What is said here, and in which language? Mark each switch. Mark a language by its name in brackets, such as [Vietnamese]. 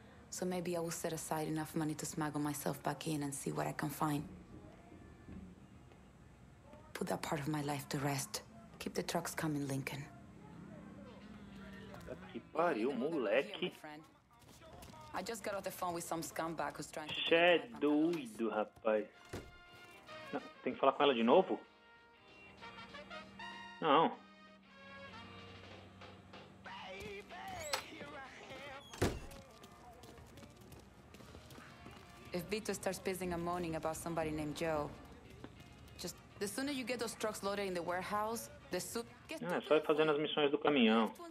[English] So maybe I will set aside enough money to smuggle myself back in and see what I can find. Put that part of my life to rest. Keep the trucks coming, Lincoln. [Portuguese] Que pariu, moleque. [English] I just got off the phone with some scumbag who's trying to... [Portuguese] Você é doido, rapaz. Não, tem que falar com ela de novo? Não. [English] If Vito starts pissing and moaning about somebody named Joe, just the sooner you get those trucks loaded in the warehouse, the sooner. [Portuguese] Ah, só ir fazendo as missões do caminhão.